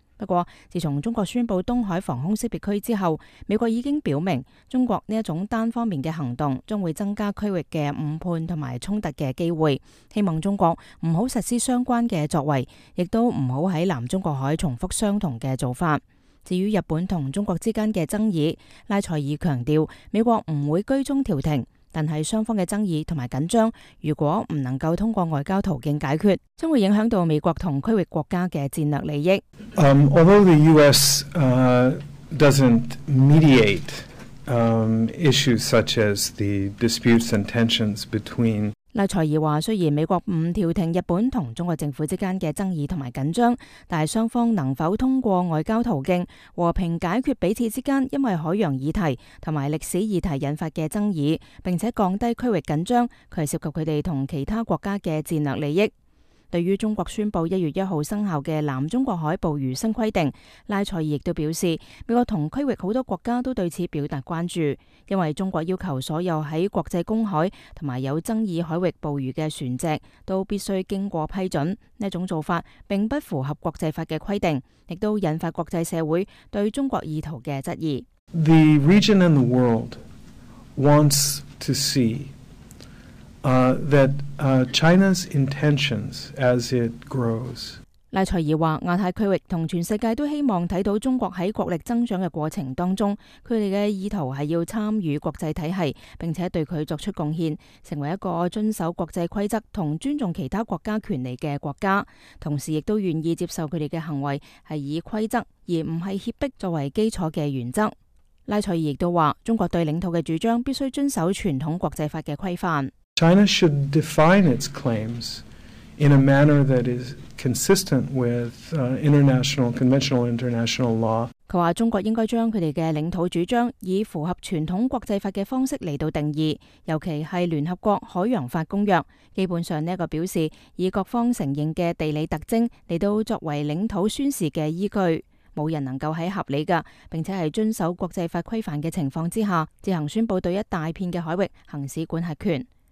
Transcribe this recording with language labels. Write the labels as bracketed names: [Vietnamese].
[Chinese] 不过，自从中国宣布东海防空识别区之后，美国已经表明中国这种单方面的行动将会增加区域的误判和冲突的机会，希望中国不要实施相关的作为，也不要在南中国海重复相同的做法。至于日本和中国之间的争议，拉塞尔强调美国不会居中调停，但是双方的争议和紧张如果不能够通过外交途径解决，将会影响到美国和区域国家的战略利益。 [English] Although the U.S. Doesn't mediate issues such as the disputes and tensions between [Chinese] 拉塞尔说，虽然美国不调停日本和中国政府之间的争议和紧张，但双方能否通过外交途径和平解决彼此之间因为海洋议题和历史议题引发的争议，并且降低区域紧张，它涉及他们和其他国家的战略利益。对于中国宣布1月1号生效的南中国海捕鱼新规定，拉塞尔亦都表示，美国同区域很多国家都对此表达关注，因为中国要求所有在国际公海和有争议海域捕鱼的船只都必须经过批准，这种做法并不符合国际法的规定，亦都引发国际社会对中国意图的质疑。 [English] The region and the world wants to seeThat China's intentions as it grows. [Chinese] 赖塞尔说，亚太区域和全世界都希望看到中国在国力增长的过程当中，他们的意图是要参与国际体系，并且对他作出贡献，成为一个遵守国际规则和尊重其他国家权利的国家，同时亦都愿意接受他们的行为是以规则而不是胁迫作为基础的原则。赖塞尔亦都说，中国对领土的主张必须遵守传统国际法的规范。 [English] China should define its claims in a manner that is consistent with international law. [Chinese] 他说中国应该将他们的领土主张以符合传统国际法的方式来到定义，尤其是联合国海洋法公约。基本上这个表示以各方承认的地理特征来到作为领土宣示的依据。无人能够在合理的并且是遵守国际法规范的情况之下，自行宣布对一大片的海域行使管辖权。